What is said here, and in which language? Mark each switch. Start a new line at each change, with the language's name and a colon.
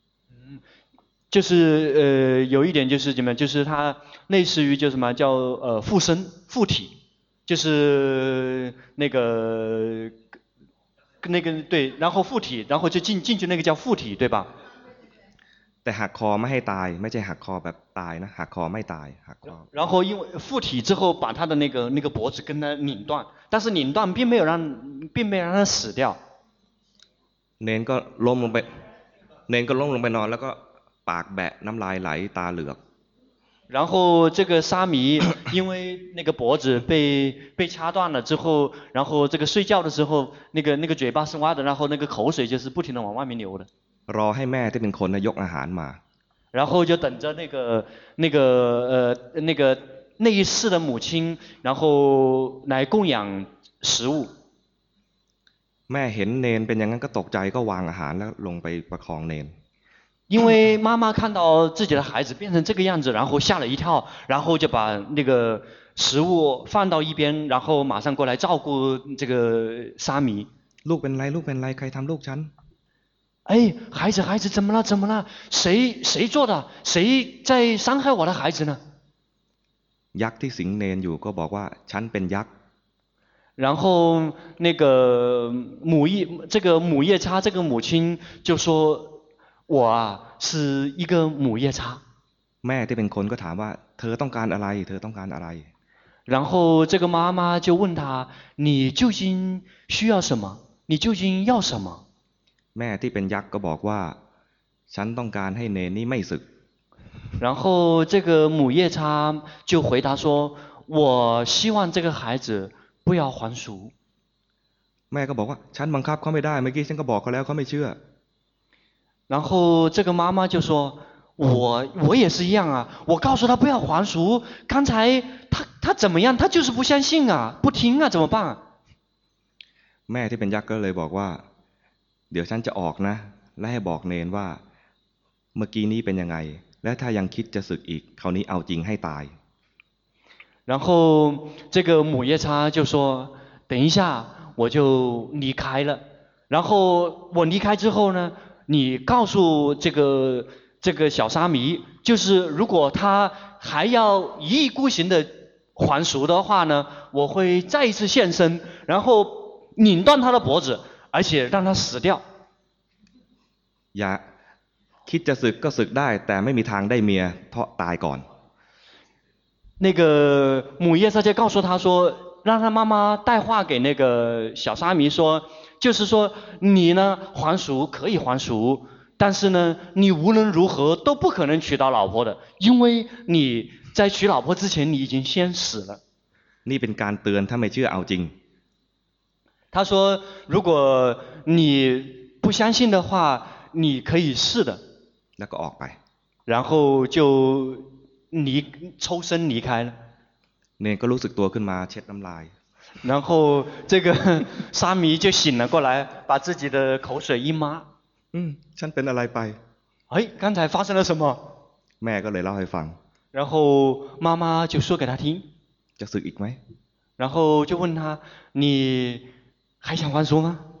Chinese: อืม就是有一点就是怎么就是它类似于就什么叫附身附体就是那个对然后附体然后就进去那个叫附体对吧
Thai: แต่หักคอไม่ให้ตายไม่ใช่หักคอแบบตายนะหักคอไม่ตายหักคอ
Chinese: 然后因为附体之后把他的那个脖子跟他拧断但是拧断并没有让他死掉
Thai: เนนก็ล้มลงไปเนนก็ล้มลงไปนอนแล้วก็ปากแบะน้ำลายไหลตาเหลือก
Chinese: 然后这个沙弥因为那个脖子被掐断了之后然后这个睡觉的时候那个嘴巴是挖的然后那个口水就是不停的往外面流的
Thai: รอให้แม่ที่เป็นคนนะยกอาหารมา
Chinese: 然后就等着那个那一世的母亲然后来供养食物
Thai: แม่เห็นเนนเป็นอย่างนั้นก็ตกใจก็วางอาหารแล้วลงไปประคองเน
Chinese: น因为妈妈看到自己的孩子变成这个样子然后吓了一跳然后就把那个食物放到一边然后马上过来照顾这个沙弥
Thai: ลูกเป็นไรลูกเป็นไรใครทำลูกฉัน
Chinese: 哎孩子怎么了怎么了谁做的谁在伤害我的孩子呢
Thai: ยักษ์ที่สิงเนนอยู่ก็บอกว่าฉันเป็นยักษ์
Chinese: 然后那个母夜这个母夜叉这个母亲就说我啊是一个母夜叉
Thai: แม่ที่เป็นคนก็ถามว่าเธอต้องการอะไร
Chinese: 然后这个妈妈就问他你究竟需要什么你究竟要什么
Thai: แม่ที่เป็นยักษ์ก็บอกว่าฉันต้องการให้เนนี่ไม่สึก
Chinese: 然后这个母夜叉就回答说我希望这个孩子不要还俗
Thai: แม่ก็บอกว่าฉันบังคับเขาไม่ได้เมื่อกี้ฉันก็บอกเขาแล้วเขาไม่เชื่อ
Chinese: 然后这个妈妈就说我也是一样啊我告诉他不要还俗刚才他怎么样他就是不相信啊不听啊怎么办
Thai: แม่ที่เป็นยักษ์ก็เลยบอกว่าเดี๋ยวฉันจะออกนะและให้บอกเนนว่าเมื่อกี้นี้เป็นยังไงและถ้ายังคิดจะสึกอีกคราวนี้เอาจริงให้ตาย
Chinese: 然后这个母夜叉就说等一下我就离开了然后我离开之后呢你告诉这个小沙弥就是如果他还要一意孤行的还俗的话呢我会再一次现身然后拧断他的脖子而且让他死掉
Thai: อย่าคิดจะสึกก็สึกได้แต่ไม่มีทางได้เมียเพราะตายก่อน
Chinese: 那个母夜叉就告诉他说让他妈妈带话给那个小沙弥说就是说你呢还俗可以还俗但是呢你无论如何都不可能娶到老婆的因为你在娶老婆之前你已经先死了
Thai: นี่เป็นการเตือนถ้าไม่เชื่อเอาจริง
Chinese: 他说如果你不相信的话你可以试的
Thai: 那个ออกไป
Chinese: 然后就离抽身离开了
Thai: เนนก็รู้สึกตัวขึ้นมาเช็ดน้ำลาย
Chinese: 然后这个沙弥就醒了过来把自己的口水一抹
Thai: ฉันเป็นอะไรไป哎
Chinese: 刚才发生了什么
Thai: แม่ก็เลยเล่าให้ฟัง
Chinese: 然后妈妈就说给他听
Thai: จะสึกอีกไหม
Chinese: 然后就问他你还想还俗吗